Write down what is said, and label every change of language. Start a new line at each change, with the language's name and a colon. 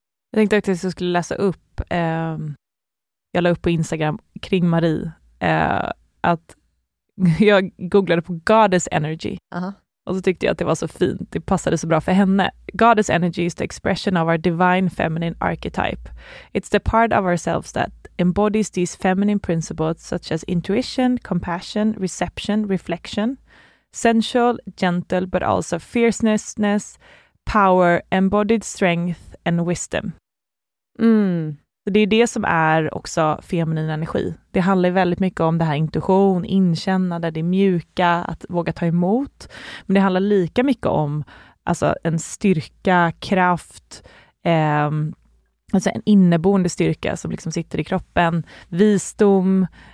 Swedish: Jag tänkte att jag skulle läsa upp, jag la upp på Instagram kring Marie, att jag googlade på goddess energy. Uh-huh. Och så tyckte jag att det var så fint, det passade så bra för henne.
English: Goddess energy is the expression of our divine feminine archetype. It's the part of ourselves that embodies these feminine principles such as intuition, compassion, reception, reflection, sensual, gentle, but also fierceness, power, embodied strength and wisdom. Mm.
Swedish: Så det är det som är också feminin energi. Det handlar väldigt mycket om det här intuition, inkännande, det mjuka, att våga ta emot. Men det handlar lika mycket om, alltså, en styrka, kraft, alltså en inneboende styrka som liksom sitter i kroppen, visdom.